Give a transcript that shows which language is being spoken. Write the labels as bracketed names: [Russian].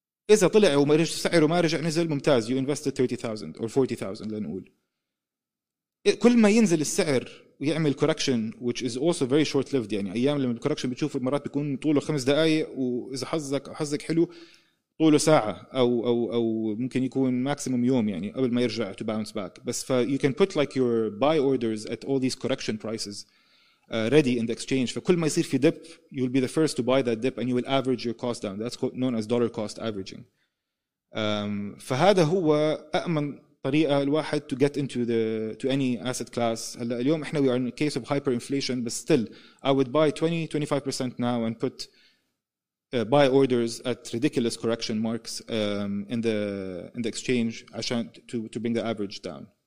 [Arabic] إذا طلع وما رجع سعره ما رجع نزل ممتاز، [English] you invested $30,000 or $40,000 [Arabic] لنقول. كل ما ينزل السعر ويعمل [English] correction which is also very short lived، [Arabic] يعني أيام لما correction بتشوف مرات بيكون طوله 5 دقائق وإذا حظك أو حظك حلو طوله ساعة أو ممكن يكون maximum يوم يعني قبل ما يرجع [English] to bounce back. [Arabic] بس ف [English] you can put like your buy orders at all these correction prices ready in the exchange. [Arabic] فكل ما يصير في [English] dip you will be the first to buy that dip and you will average your cost down. That's known as dollar cost averaging. [Arabic] فهذا هو أأمن طريقة الواحد [English] to get into the to any asset class. [Arabic] هلا اليوم إحنا [English] we are in a case of hyperinflation but still I would buy 20-25% now and put buy orders at ridiculous correction marks in the exchange [Arabic] عشان [English] to bring the average down.